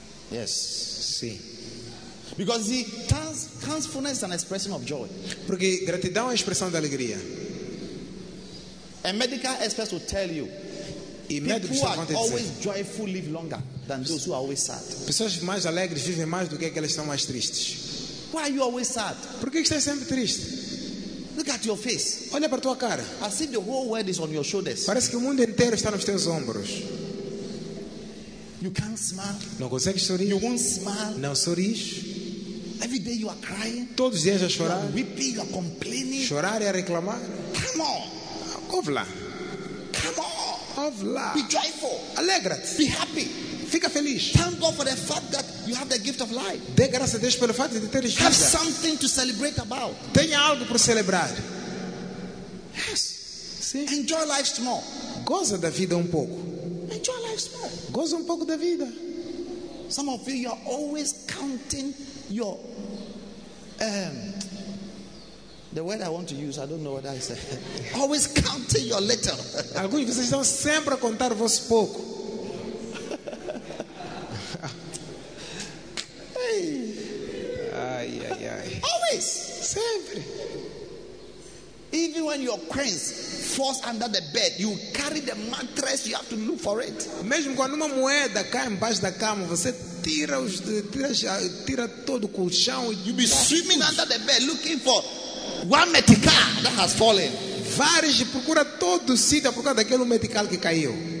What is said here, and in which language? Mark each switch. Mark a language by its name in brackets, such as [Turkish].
[English] Yes. [Portuguese] Sim. [English] Because the thankfulness is an expression of joy. [Portuguese] Porque gratidão é expressão de alegria. [English] A medical expert will tell you. [Portuguese] E [English] people who are always joyful live longer than those who are always sad. [Portuguese] Pessoas mais alegres vivem mais do que aquelas que estão mais tristes. [English] Why are you always sad? [Portuguese] Por que estás sempre triste? [English] Look at your face. [Portuguese] Olha para tua cara. [English] As if the whole world is on your shoulders. [Portuguese] Parece que o mundo inteiro está nos teus ombros. [English] You can't smile. [Portuguese] Não consegues sorrir. [English] You won't smile. [Portuguese] Não sorris. [English] Every day you are crying. [Portuguese] Todos os dias a chorar. [English] You are weeping, you are complaining. [Portuguese] Chorar e a reclamar. [English] Come on. [Portuguese] Ouve lá. [English] Come on. [Portuguese] Ouve lá. [English] Be joyful. [Portuguese] Alegra-te. [English] Be happy. [Portuguese] Fica feliz. [English] Thank God for the fact that you have the gift of life. [Portuguese] Dê graças a Deus pelo fato de teres vida. [English] Have something to celebrate about. [Portuguese] Tenha algo para celebrar. [English] Yes. [Portuguese] Sim. [English] Enjoy life small. [Portuguese] Goza da vida pouco. [English] Enjoy life small. [Portuguese] Goza pouco da vida. [English] Some of you are always counting your the word I want to use, I don't know what I say. Always counting your little. [Portuguese] Alguns de vocês estão sempre a contar o vosso pouco. Hey. Ai, ai, ai. [English] Always. [Portuguese] Sempre. [English] Even when your queen falls under the bed, you carry the mattress, you have to look for it. [Portuguese] Mesmo quando uma moeda cai embaixo da cama, você tira todo o colchão. [English] You be swimming under the bed looking for one medical that has fallen. [Portuguese] Várias procura todo o sítio por causa daquele medical que caiu.